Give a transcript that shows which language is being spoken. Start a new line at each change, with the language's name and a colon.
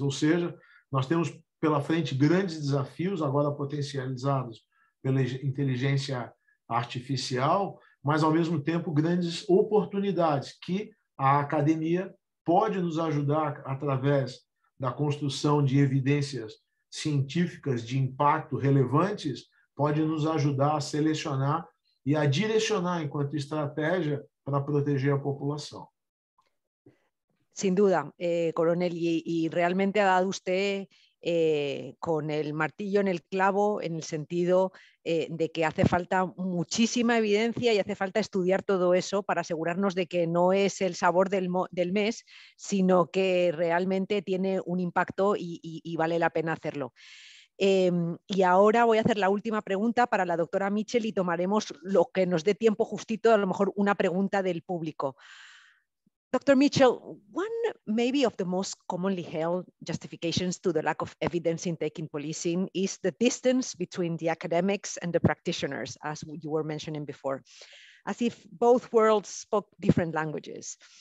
Portuguese: Ou seja, nós temos pela frente grandes desafios, agora potencializados pela inteligência artificial, mas, ao mesmo tempo, grandes oportunidades que a academia pode nos ajudar através da construção de evidências científicas de impacto relevantes, pode nos ajudar a selecionar e a direcionar enquanto estratégia para proteger a população.
Spanish: Sin duda, coronel, y realmente ha dado usted con el martillo en el clavo, en el sentido de que hace falta muchísima evidencia y hace falta estudiar todo eso para asegurarnos de que no es el sabor del mes, sino que realmente tiene un impacto y vale la pena hacerlo. Y ahora voy a hacer la última pregunta para la doctora Mitchell y tomaremos lo que nos dé tiempo justito, a lo mejor una pregunta del público.
English: Dr. Mitchell, one maybe of the most commonly held justifications to the lack of evidence intake in policing is the distance between the academics and the practitioners, as you were mentioning before, as if both worlds spoke different languages.